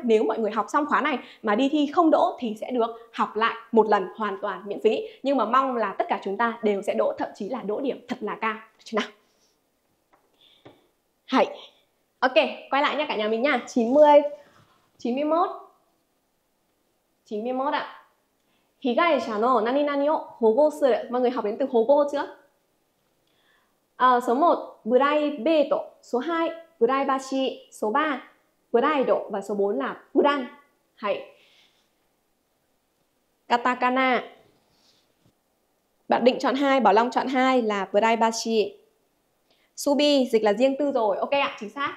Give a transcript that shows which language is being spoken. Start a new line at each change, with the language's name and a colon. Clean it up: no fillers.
Vietnamese: Nếu mọi người học xong khóa này mà đi thi không đỗ thì sẽ được học lại một lần hoàn toàn miễn phí, nhưng mà mong là tất cả chúng ta đều sẽ đỗ, thậm chí là đỗ điểm thật là cao, được chưa nào? Hãy ok, quay lại nha cả nhà mình nha. 90, 91. 91 ạ.
Japanese: 被害者の何々を保護する.
Vietnamese: Mọi người học đến từ 保護 chưa? Số 1, private. Số 2, privacy. Số 3, pride. Và số 4 là pudan. Hãy. Katakana. Bạn định chọn 2, Bảo Long chọn 2 là privacy. Subi dịch là riêng tư rồi. Ok ạ, chính xác.